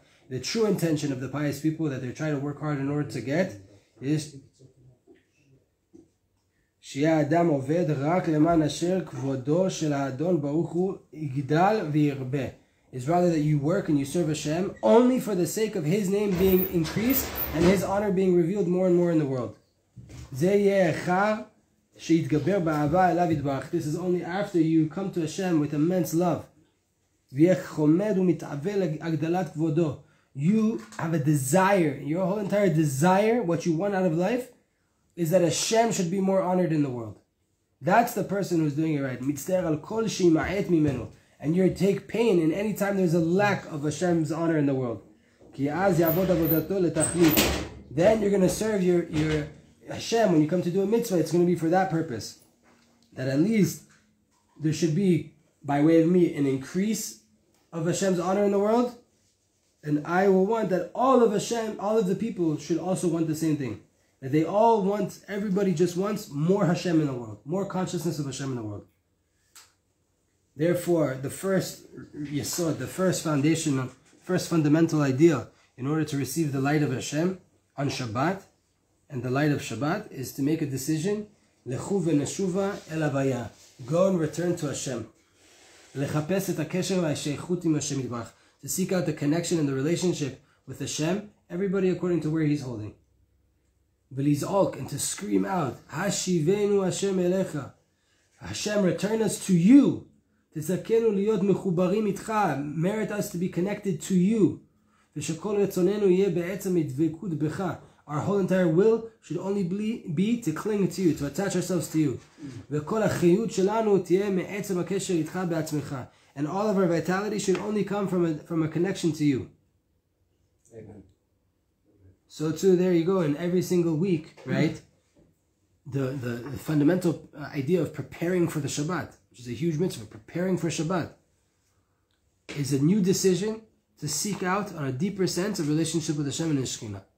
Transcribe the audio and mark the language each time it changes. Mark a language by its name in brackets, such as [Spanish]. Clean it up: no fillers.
[English] The true intention of the pious people that they're trying to work hard in order to get is [Hebrew] שיהיה האדם עובד רק למען אשר כבודו של האדון ברוך הוא יגדל וירבה. [English] It's rather that you work and you serve Hashem only for the sake of His name being increased and His honor being revealed more and more in the world. [Hebrew] זה יהיה אחר שיתגבר באהבה אליו יתברך. [English] This is only after you come to Hashem with immense love. [Hebrew] ויהיה חומד ומתעווה להגדלת כבודו. [English] You have a desire, your whole entire desire, what you want out of life, is that Hashem should be more honored in the world. That's the person who's doing it right. [Hebrew] מצטער על כל שימעט ממנו. [English] And you take pain in any time there's a lack of Hashem's honor in the world. [Hebrew] כי אז יעבוד עבודתו לתכלית. [English] Then you're going to serve your Hashem when you come to do a mitzvah. It's going to be for that purpose. That at least there should be, by way of me, an increase of Hashem's honor in the world. And I will want that all of Hashem, all of the people should also want the same thing. That they all want, everybody just wants more Hashem in the world. More consciousness of Hashem in the world. Therefore, the first yesod, the first foundation, first fundamental idea in order to receive the light of Hashem on Shabbat, and the light of Shabbat, is to make a decision, [Hebrew] לכו ונשובה אל הוויה. [English] Go and return to Hashem. [Hebrew] לחפש את הקשר והשייכות עם השם יתברך. [English] To seek out the connection and the relationship with Hashem, everybody according to where he's holding. [Hebrew] ולזעוק, [English] and to scream out, [Hebrew] השיבנו השם אליך. [English] Hashem, return us to you. [Hebrew] תזכנו להיות מחוברים איתך. [English] Merit us to be connected to you. [Hebrew] ושכל רצוננו יהיה בעצם מדבקות בך. [English] Our whole entire will should only be to cling to you, to attach ourselves to you. [Hebrew] וכל החיות שלנו תהיה מעצם הקשר איתך בעצמך. [English] And all of our vitality should only come from a connection to you. Amen. So too, there you go. And every single week, right? The fundamental idea of preparing for the Shabbat, which is a huge mitzvah, preparing for Shabbat, is a new decision to seek out on a deeper sense of relationship with Hashem and His Shekhinah.